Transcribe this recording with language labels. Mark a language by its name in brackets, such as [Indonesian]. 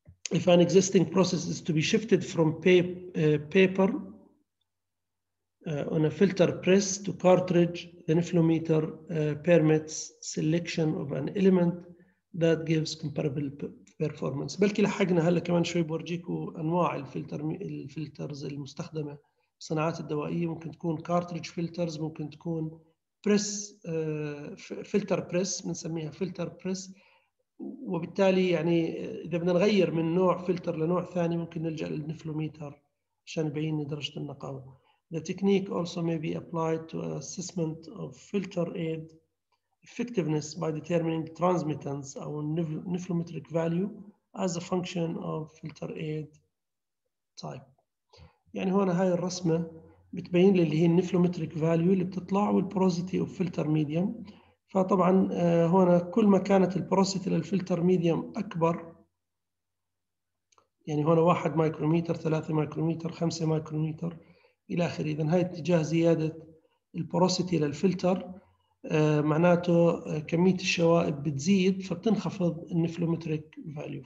[English] If an existing process is to be shifted from paper on a filter press to cartridge, the nephlometer permits selection of an element that gives comparable performance. [Arabic] بلكي لحقنا هلا كمان شوي بورجيكو انواع الفلترز المستخدمه بالصناعات الدوائيه، ممكن تكون [English] cartridge filters، [Arabic] ممكن تكون [English] press filter press [Arabic] بنسميها [English] filter press. [Arabic] وبالتالي يعني إذا بدنا نغير من نوع فلتر لنوع ثاني ممكن نلجأ للنفلوميتر عشان يبين درجة النقاوة. [English] The technique also may be applied to assessment of filter aid effectiveness by determining transmittance or nephelometric value as a function of filter aid type. [Arabic] يعني هون هاي الرسمة بتبين لي اللي هي النفلومتريك فاليو اللي بتطلع والبوروزيتي اوف فلتر ميديوم. فطبعا هون كل ما كانت البوروزيتي للفلتر ميديوم اكبر، يعني هون 1 مايكرومتر، 3 مايكرومتر، 5 مايكرومتر الى اخره، اذا هاي اتجاه زياده البوروزيتي للفلتر معناته كميه الشوائب بتزيد فبتنخفض النفلومتريك فاليو.